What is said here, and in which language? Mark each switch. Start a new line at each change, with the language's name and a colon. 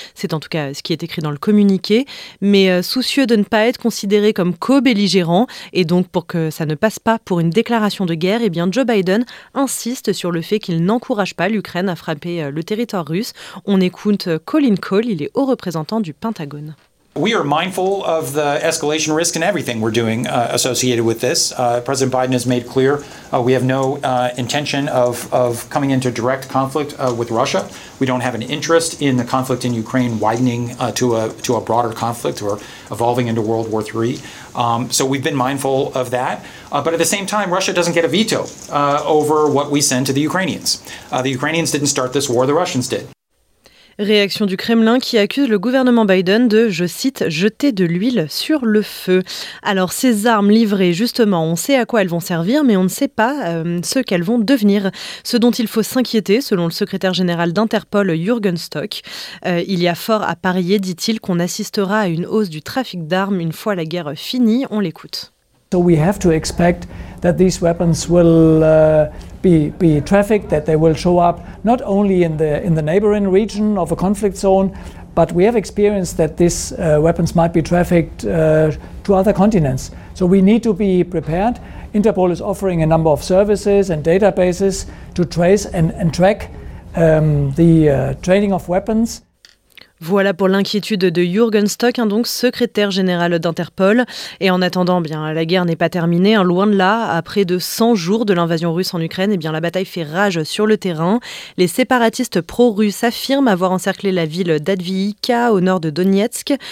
French: C'est en tout cas ce qui est écrit dans le communiqué. Mais soucieux de ne pas être considéré comme co-belligérant et donc pour que ça ne passe pas pour une déclaration de guerre, et bien Joe Biden insiste sur le fait qu'il n'encourage pas l'Ukraine à frapper le territoire russe. On écoute Colin Cole, il est haut représentant du Pentagone.
English: We are mindful of the escalation risk and everything we're doing associated with this. President Biden has made clear we have no intention of coming into direct conflict with Russia. We don't have an interest in the conflict in Ukraine widening to a broader conflict or evolving into World War III. So we've been mindful of that. But at the same time, Russia doesn't get a veto over what we send to the Ukrainians. The Ukrainians didn't start this war, the Russians did.
French: Réaction du Kremlin qui accuse le gouvernement Biden de, je cite, « jeter de l'huile sur le feu ». Alors ces armes livrées, justement, on sait à quoi elles vont servir, mais on ne sait pas ce qu'elles vont devenir. Ce dont il faut s'inquiéter, selon le secrétaire général d'Interpol, Jürgen Stock, il y a fort à parier, dit-il, qu'on assistera à une hausse du trafic d'armes une fois la guerre finie. On l'écoute.
English: So we have to expect that these weapons will be trafficked, that they will show up not only in the neighboring region of a conflict zone, but we have experienced that these weapons might be trafficked to other continents. So we need to be prepared. Interpol is offering a number of services and databases to trace and track the trading of weapons.
French: Voilà pour l'inquiétude de Jürgen Stock, donc secrétaire général d'Interpol. Et en attendant, bien, la guerre n'est pas terminée, hein, loin de là. Après de 100 jours de l'invasion russe en Ukraine, la bataille fait rage sur le terrain. Les séparatistes pro-russes affirment avoir encerclé la ville d'Advihika, au nord de Donetsk.